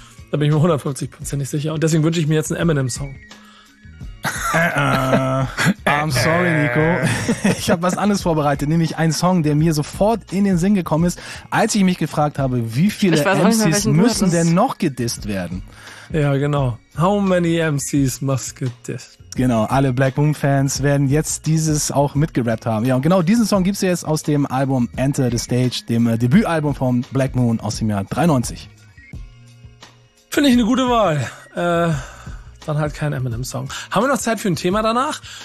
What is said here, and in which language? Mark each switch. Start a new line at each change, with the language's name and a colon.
German: Da bin ich mir 150% nicht sicher. Und deswegen wünsche ich mir jetzt einen Eminem-Song.
English: I'm sorry, Nico.
German: Ich habe was anderes vorbereitet, nämlich einen Song, der mir sofort in den Sinn gekommen ist, als ich mich gefragt habe, wie viele MCs müssen denn noch gedisst werden? Ja, genau.
English: How many MCs must get this?
German: Genau, alle Black Moon Fans werden jetzt dieses auch mitgerappt haben. Ja, und genau diesen Song gibt's jetzt aus dem Album Enter the Stage, dem Debütalbum von Black Moon aus dem Jahr 93. Finde ich eine gute Wahl. Dann halt kein Eminem-Song. Haben wir noch Zeit für ein Thema danach?